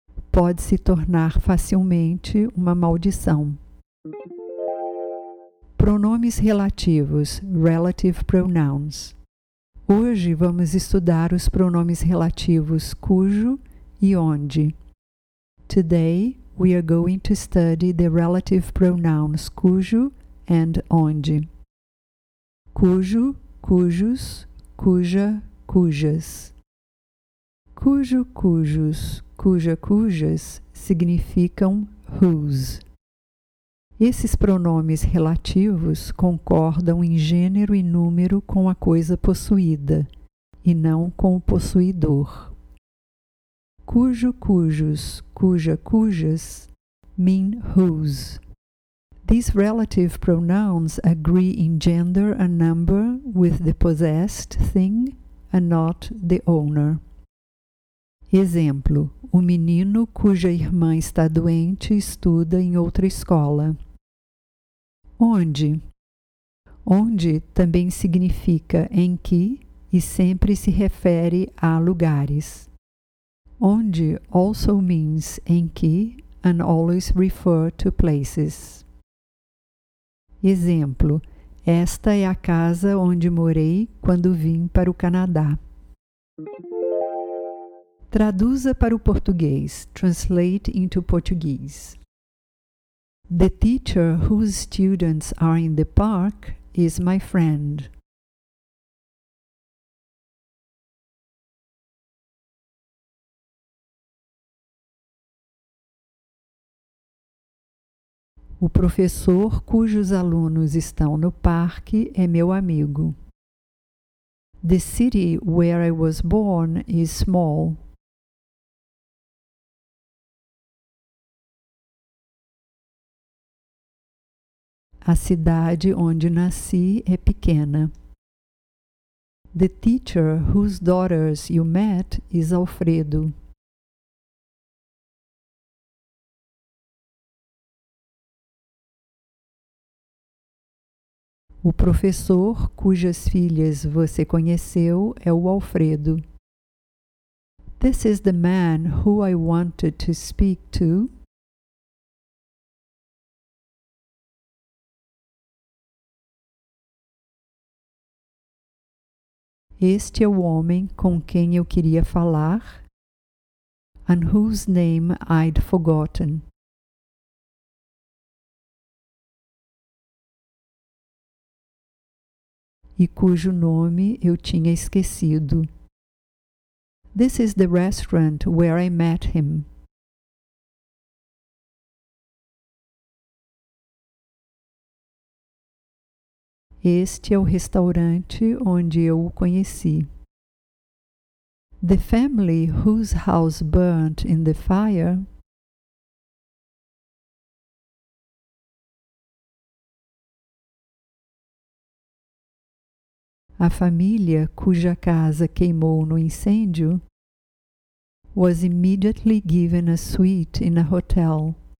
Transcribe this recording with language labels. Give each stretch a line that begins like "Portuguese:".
Portuguese: Pode se tornar facilmente uma maldição. Pronomes relativos,
English: relative pronouns.
Portuguese: Hoje vamos estudar os pronomes relativos cujo e onde.
English: Today we are going to study the relative pronouns cujo and onde.
Portuguese: Cujo, cujos, cuja, cujas. Cujo, cujos, cuja, cujas significam whose. Esses pronomes relativos concordam em gênero e número com a coisa possuída, e não com o possuidor.
English: Cujo, cujos, cuja, cujas mean whose. These relative pronouns agree in gender and number with the possessed thing and not the owner.
Portuguese: Exemplo, o menino cuja irmã está doente estuda em outra escola. Onde? Onde também significa em que e sempre se refere a lugares.
English: Onde also means
Portuguese: em que
English: and always refer to places.
Portuguese: Exemplo: esta é a casa onde morei quando vim para o Canadá. Traduza para o português.
English: Translate into Portuguese. The teacher whose students are in the park is my friend.
Portuguese: O professor cujos alunos estão no parque é meu amigo.
English: The city where I was born is small.
Portuguese: A cidade onde nasci é pequena.
English: The teacher whose daughters you met is Alfredo.
Portuguese: O professor cujas filhas você conheceu é o Alfredo.
English: This is the man who I wanted to speak to.
Portuguese: Este é o homem com quem eu queria falar,
English: and whose name I'd forgotten.
Portuguese: E cujo nome eu tinha esquecido.
English: This is the restaurant where I met him.
Portuguese: Este é o restaurante onde eu o conheci.
English: The family whose house burnt in the fire.
Portuguese: A família cuja casa queimou no incêndio
English: was immediately given a suite in a hotel.